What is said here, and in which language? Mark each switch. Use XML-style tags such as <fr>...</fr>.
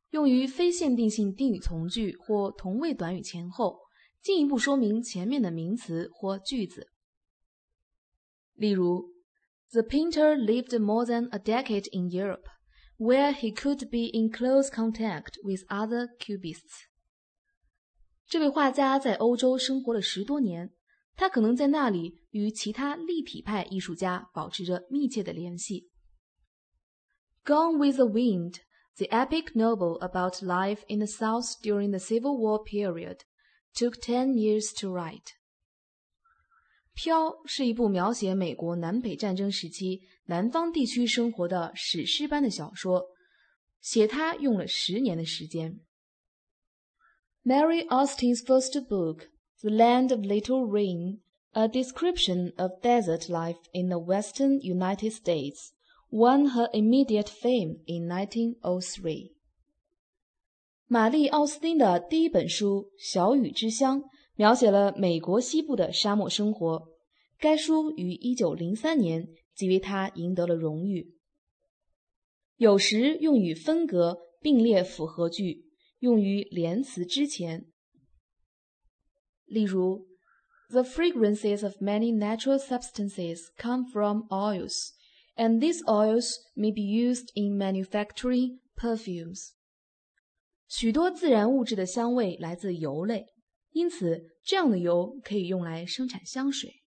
<zh>用于非限定性定语从句或同位短语前后，进一步说明前面的名词或句子。</zh> <en>例如 The painter lived more than a decade in Europe, where he could be in close contact with other cubists.</en> <zh>这位画家在欧洲生活了十多年，他可能在那里与其他立体派艺术家保持着密切的联系。</zh> <en>Gone with the Wind, the epic novel about life in the South during the Civil War period, took 10 years to write.</en> <zh>飘是一部描写美国南北战争时期南方地区生活的史诗般的小说，写它用了10年的时间。</zh> <en>Mary Austin's first book, The Land of Little Rain, A Description of Desert Life in the Western United States,won her immediate fame in 1903.</en> <zh>玛丽·奥斯汀的第一本书《小雨之乡》描写了美国西部的沙漠生活，该书于1903年即为她赢得了荣誉。有时用于分隔并列复合句，用于连词之前。</zh> <en>例如 The fragrances of many natural substances come from oils,And these oils may be used in manufacturing perfumes.</en> <zh>许多自然物质的香味来自油类，因此这样的油可以用来生产香水。</zh>